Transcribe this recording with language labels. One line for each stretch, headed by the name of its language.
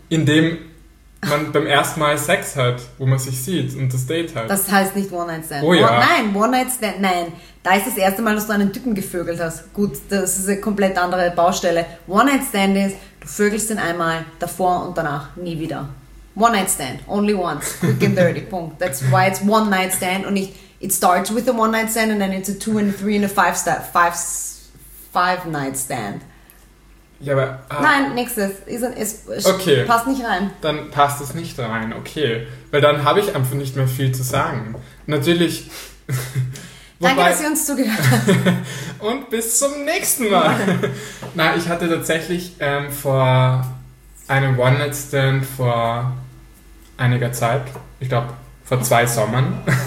German: Indem man beim ersten Mal Sex hat, wo man sich sieht und das Date hat. Das heißt nicht One-Night-Stand. Oh ja. Nein, da ist das erste Mal, dass du einen Typen gevögelt hast. Gut, das ist eine komplett andere Baustelle. One-Night-Stand ist, du vögelst ihn einmal, davor und danach, nie wieder.
English: One-Night-Stand, only once, quick and dirty, Punkt. That's why it's One-Night-Stand
German: und nicht,
English: it starts with a One-Night-Stand and then it's a two and a three and a five-night-stand.
German: Ja, aber, Nein, nächstes. Passt nicht rein. Dann passt es nicht rein, okay. Weil dann habe ich einfach nicht mehr viel zu sagen. Natürlich. Danke, dass ihr uns zugehört habt. Und bis zum nächsten Mal. Nein, ich hatte tatsächlich vor einem One-Night-Stand vor einiger Zeit, ich glaube vor zwei Sommern.